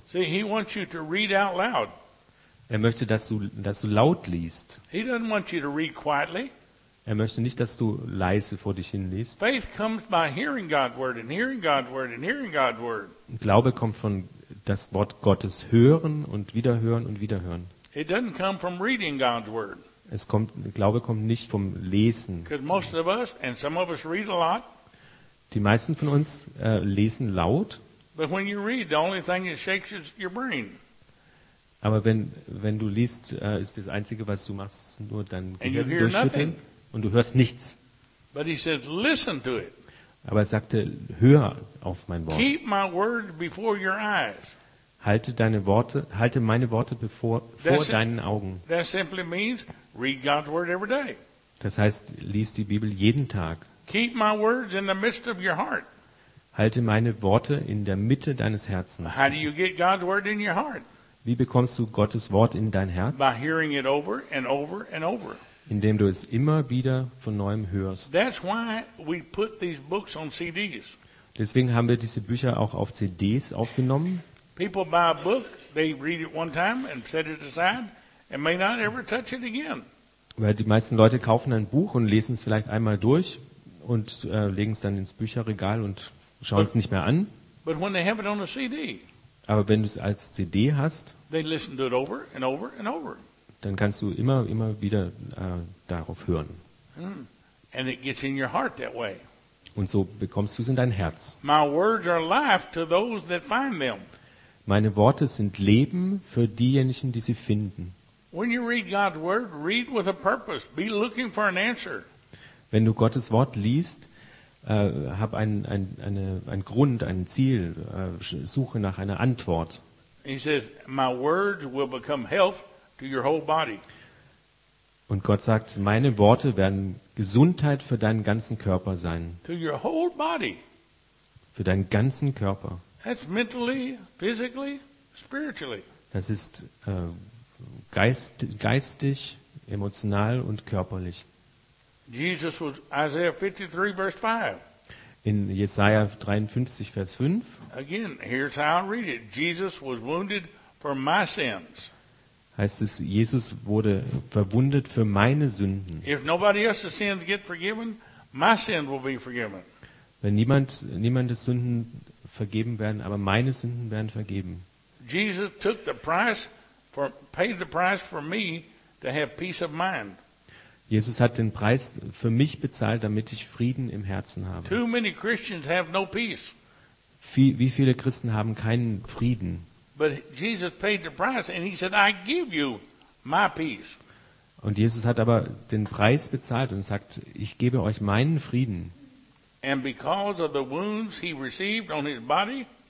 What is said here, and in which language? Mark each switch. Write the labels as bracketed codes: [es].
[en] See, he wants you to read out loud. [de] Er möchte, dass du laut liest. [en] He doesn't want you to read quietly. [de] Er möchte nicht, dass du leise vor dich hin liest. [en] Faith comes by hearing God's word and hearing God's word and hearing God's word. [de] Glaube kommt von das Wort Gottes hören und wiederhören und wiederhören. [en] It doesn't come from reading God's word. [de] Glaube kommt nicht vom Lesen. [en] Because most of us and some of us read a lot. [de] Die meisten von uns lesen laut. [en] But when you read, the only thing that shakes is your brain. [de] Aber wenn du liest, ist das Einzige, was du machst, nur dein Gehirn durchschütteln. Und du hörst nichts. [en] But he said, listen to it. [de] Aber er sagte, hör auf mein Wort. [en] Keep my word before your eyes. [de] Halte meine Worte vor deinen Augen. [en] That simply means read God's word every day. [de] Das heißt, lies die Bibel jeden Tag. [en] Keep my words in the midst of your heart. [de] Halte meine Worte in der Mitte deines Herzens. [en] How do you get God's word in your heart? [de] Wie bekommst du Gottes Wort in dein Herz? [en] By hearing it over and over and over. [de] Indem du es immer wieder von neuem hörst. [en] That's why we put these books on CDs. [de] Deswegen haben wir diese Bücher auch auf CDs aufgenommen. [en] People buy a book, they read it one time and set it aside and may not ever touch it again. [de] Weil die meisten Leute kaufen ein Buch und lesen es vielleicht einmal durch und legen es dann ins Bücherregal und schauen es nicht mehr an. [en] But when they have it on a CD, [de] aber wenn du es als CD hast, [en] they listen to it over and over and over. [de] Dann kannst du immer wieder darauf hören. [en] And it gets in your heart that way. [de] Und so bekommst du es in dein Herz. [en] My words are life to those that find them. [de] Meine Worte sind Leben für diejenigen, die sie finden. [en] When you read God's word, read with a purpose. Be looking for an answer. [de] Wenn du Gottes Wort liest, hab ein Grund, ein Ziel, suche nach einer Antwort. [en] He says, my words will become health to your whole body. [de] Und Gott sagt, meine Worte werden Gesundheit für deinen ganzen Körper sein. [en] To your whole body. [de] Für deinen ganzen Körper. [en] That's mentally, physically, spiritually. [de] Das ist geistig, emotional und körperlich. [en] Jesus was Isaiah 53, verse 5. [de] In Jesaja 53, Vers 5. [en] Again, here's how I read it. Jesus was wounded for my sins. [de] Heißt es, Jesus wurde verwundet für meine Sünden. [en] If nobody else's sins get forgiven, my sins will be forgiven. [de] Wenn niemandes Sünden vergeben werden, aber meine Sünden werden vergeben. [en] Jesus took the price for paid the price for me to have peace of mind. [de] Jesus hat den Preis für mich bezahlt, damit ich Frieden im Herzen habe. [en] Too many Christians have no peace. [de] Wie viele Christen haben keinen Frieden? [en] But Jesus paid the price and he said, I give you my peace. [de] Und Jesus hat aber den Preis bezahlt und sagt, ich gebe euch meinen Frieden. [en] And because of the wounds he received on his body,